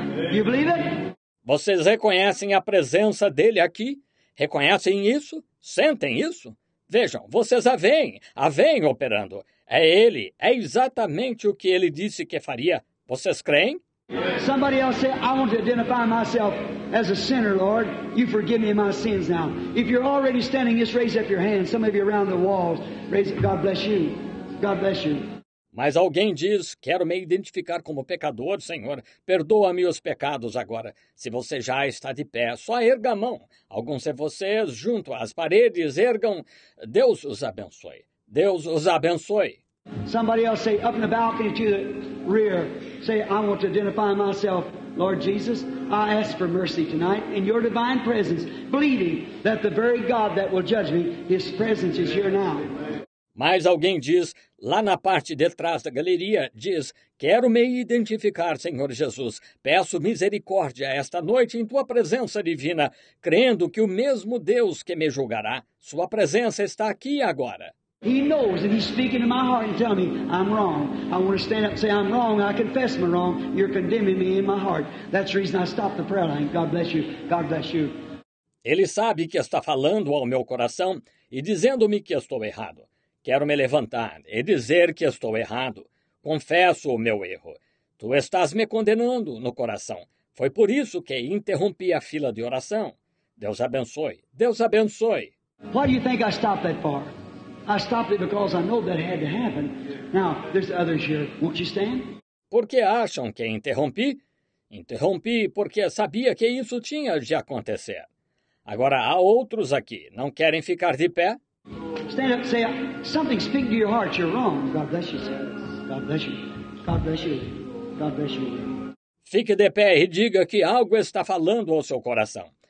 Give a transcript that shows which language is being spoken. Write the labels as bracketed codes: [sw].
[en] Do you believe it? [pt] Vocês reconhecem a presença dele aqui? Reconhecem isso? Sentem isso? Vejam, vocês a veem operando. É ele, é exatamente o que ele disse que faria. Vocês creem? [en] Somebody else say, I want to identify myself as a sinner, Lord. You forgive me my sins now. If you're already standing, just raise up your hand. Some of you around the walls, raise it. God bless you. God bless you. [pt] Mas alguém diz, quero me identificar como pecador, Senhor. Perdoa-me os pecados agora. Se você já está de pé, só erga a mão. Alguns de vocês, junto às paredes, ergam. Deus os abençoe. Deus os abençoe. [en] Somebody else say, up in the balcony to the rear, say, I want to identify myself, Lord Jesus. I ask for mercy tonight in your divine presence, believing that the very God that will judge me, his presence is here now. [pt] Mas alguém diz, lá na parte de trás da galeria, diz, quero me identificar, Senhor Jesus. Peço misericórdia esta noite em tua presença divina, crendo que o mesmo Deus que me julgará, sua presença está aqui agora. [en] He knows and he's speaking in my heart and telling me, I'm wrong. I want to stand up and say, I'm wrong. I confess my wrong. You're condemning me in my heart. That's the reason I stopped the prayer line. God bless you. God bless you. [pt] Ele sabe que está falando ao meu coração e dizendo-me que estou errado. Quero me levantar e dizer que estou errado. Confesso o meu erro. Tu estás me condenando no coração. Foi por isso que interrompi a fila de oração. Deus abençoe. Deus abençoe. [en] Why do you think I stopped that for? I stopped it because I know that it had to happen. Now, there's others here. Won't you stand? [pt] Por que acham que interrompi? Interrompi porque sabia que isso tinha de acontecer. Agora, há outros aqui. Não querem ficar de pé? [en] Stand up and say, something speak to your heart. You're wrong. God bless you, sir. God bless you. God bless you. God bless you. [pt] Fique de pé e diga que algo está falando ao seu coração.